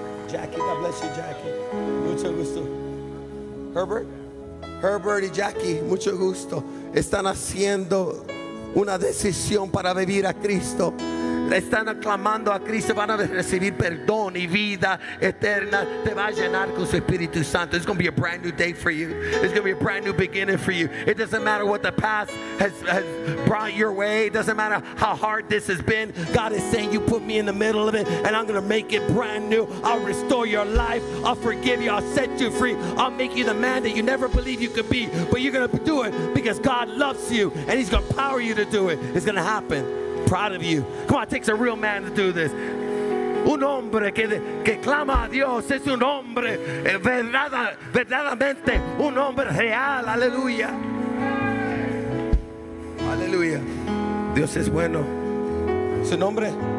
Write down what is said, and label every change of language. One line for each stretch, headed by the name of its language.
English: Jackie, God bless you, Jackie.
Spanish: Mucho gusto. Herbert y Jackie, mucho gusto. Están haciendo una decisión para vivir a Cristo. Le están aclamando a Cristo. Van a recibir perdón y vida eterna. Te va a llenar con su Espíritu Santo.
English: It's going to be a brand new day for you. It's going to be a brand new beginning for you. It doesn't matter what the past has brought your way. It doesn't matter how hard this has been. God is saying, you put me in the middle of it, and I'm going to make it brand new. I'll restore your life. I'll forgive you. I'll set you free. I'll make you the man that you never believed you could be. But you're going to do it because God loves you, and He's going to power you to do it. It's going to happen. Proud of you. Come on, it takes a real man to do this.
Spanish: Un hombre que clama a Dios es un hombre verdaderamente un hombre real. Aleluya. Aleluya. Dios es bueno. ¿Su nombre?